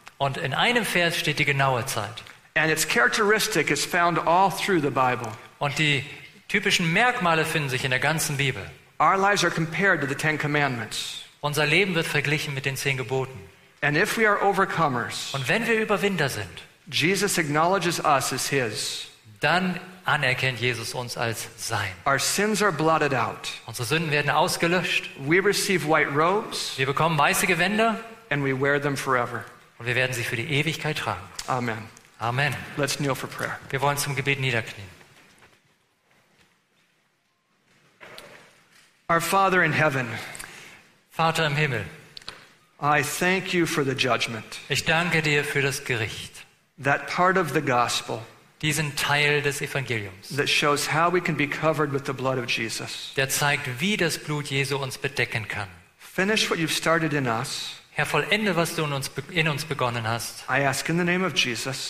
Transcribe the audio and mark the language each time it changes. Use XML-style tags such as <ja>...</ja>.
<de>Und in einem Vers steht die genaue Zeit.</de> <en>And its characteristic is found all through the Bible.</en> <de>Und die typischen Merkmale finden sich in der ganzen Bibel.</de> <en>Our lives are compared to the Ten Commandments.</en> <de>Unser Leben wird verglichen mit den 10 Geboten.</de> <en>And if we are overcomers,</en> <de>und wenn wir Überwinder sind,</de> <en>Jesus acknowledges us as his.</en> <de>dann anerkennt Jesus uns als sein.</de> <en>Our sins are blotted out.</en> <de>Unsere Sünden werden ausgelöscht.</de> <en>We receive white robes.</en> <de>Wir bekommen weiße Gewänder.</de> <en>And we wear them forever.</en> <de>Und wir werden sie für die Ewigkeit tragen.</de> <en>Amen.</en> <de>Amen.</de> <en>Let's kneel for prayer.</en> <de>Wir wollen zum Gebet niederknien.</de> <en>Our Father in heaven.</en> <de>Vater im Himmel.</de> <en>I thank you for the judgment.</en> <de>Ich danke dir für das Gericht.</de> <en>That part of the gospel.</en> <de>Diesen Teil des Evangeliums.</de> <en>That shows how we can be covered with the blood of Jesus.</en> <de>Der zeigt, wie das Blut Jesu uns bedecken kann.</de> <en>Finish what you've started in us.</en> <de>Herr, vollende, was du in uns begonnen hast.</de> <en>I ask in the name of Jesus.</en>